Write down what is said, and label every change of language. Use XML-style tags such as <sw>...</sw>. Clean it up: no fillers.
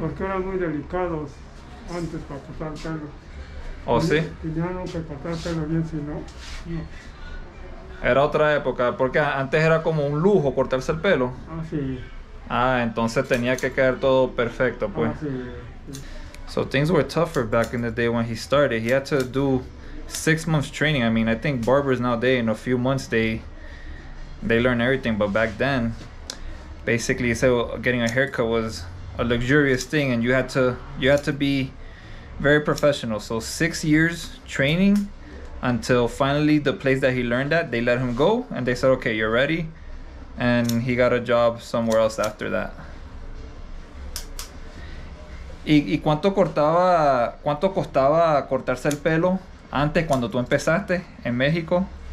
<es>Porque eran muy delicados antes para cortar pelo. ¿Oh, sí? Tenían que cortar pelo bien, si no, no. Era otra época, porque antes era como un lujo cortarse el pelo. Ah, sí. Ah, entonces tenía que quedar todo perfecto, pues. Ah, sí.</es> <en>So things were tougher back in the day when he started. He had to do 6 months training. I mean, I think barbers nowadays, in a few months, they learn everything, but back then, basically, so getting a haircut was a luxurious thing, and you had to be very professional. So 6 years training until finally the place that he learned at, they let him go and they said, okay, you're ready. And he got a job somewhere else after that.</en> <es>¿Y cuánto costaba cortarse el pelo antes cuando tú empezaste en México?</es>